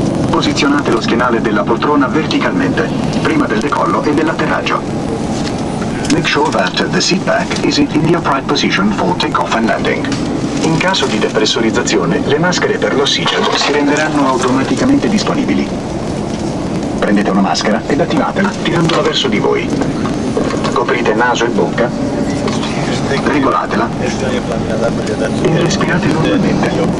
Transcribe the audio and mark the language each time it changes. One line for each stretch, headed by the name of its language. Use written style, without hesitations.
Italian: Posizionate lo schienale della poltrona verticalmente, prima del decollo e dell'atterraggio.
English: Make sure that the seat back is in the upright position for takeoff and landing.
Italian: In caso di depressurizzazione, le maschere per l'ossigeno si renderanno automaticamente disponibili. Prendete una maschera ed attivatela tirandola verso di voi. Coprite naso e bocca. Regolatela e respirate normalmente.